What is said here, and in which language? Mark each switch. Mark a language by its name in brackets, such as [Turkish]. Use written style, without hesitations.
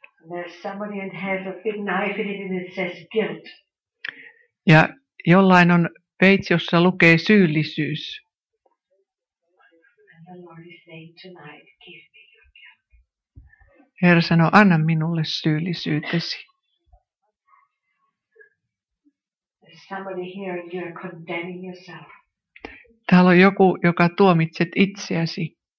[English] There's somebody that has a big knife in it and it says guilt. [Finnish] Ja jollain on veitsi, jossa lukee syyllisyys. [English] And the Lord is saying tonight, give me your guilt. [Finnish] Herra sanoo, anna minulle syyllisyytesi. [English] There's somebody here and you're condemning yourself. [Finnish] Täällä on joku, joka tuomitset itseäsi.